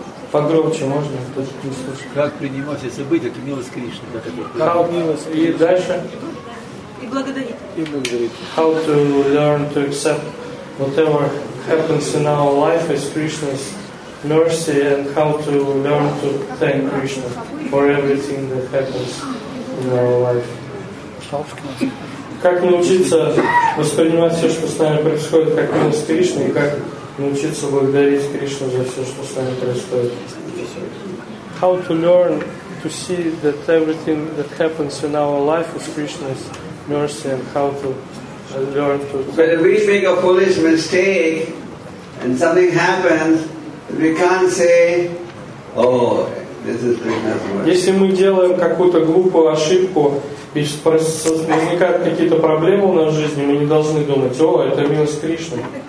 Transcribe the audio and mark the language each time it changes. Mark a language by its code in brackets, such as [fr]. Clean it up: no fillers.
[ru] Погромче можно, кто не слышит. Как принимать все события, как милость Кришны. Как милость. И дальше. И благодарить. И благодарить. [en] How to learn to accept whatever happens in our life as Krishna's mercy and how to learn to thank Krishna for everything that happens in our life. [ru] Как научиться воспринимать все, что с нами происходит, как милость Кришны, и как научиться благодарить Кришну за все, что с нами происходит. [en] How to learn to see that everything that happens in our life is Krishna's mercy, and how to learn to. But if we make a foolish mistake and something happens, we can't say, "Oh, this is Krishna's mercy." [ru] Если мы делаем какую-то глупую ошибку и возникают какие-то проблемы у нас в жизни, мы не должны думать, о, это милость Кришны.